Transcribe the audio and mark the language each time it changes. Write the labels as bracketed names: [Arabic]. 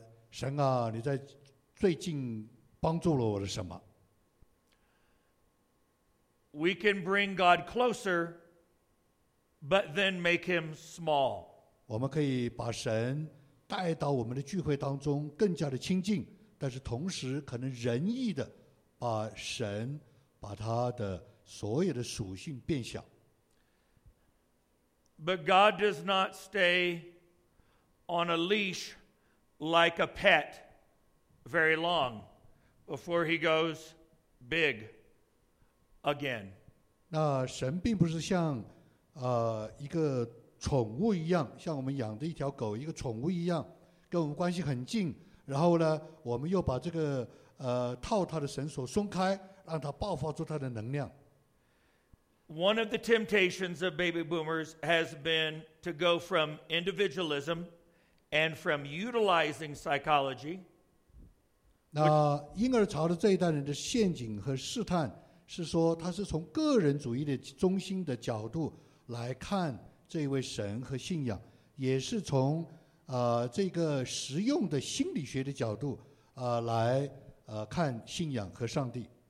[Chinese] 神啊，你在最近帮助了我的什么？ [English] We can bring God closer, but then make him small. [Chinese] 我们可以把神带到我们的聚会当中更加的亲近，但是同时可能仁义的把神把他的所有的属性变小。 [English] But God does not stay on a leash like a pet very long before he goes big again. [Chinese] 那神并不是像一个宠物一样，像我们养的一条狗，一个宠物一样，跟我们关系很近，然后呢，我们又把这个套他的绳索松开，让他爆发出他的能量。 [English] One of the temptations of baby boomers has been to go from individualism and from utilizing psychology. [Chinese] 那婴儿潮的这一代人的陷阱和试探是说，他是从个人主义的中心的角度来看这位神和信仰，也是从这个实用的心理学的角度来看信仰和上帝。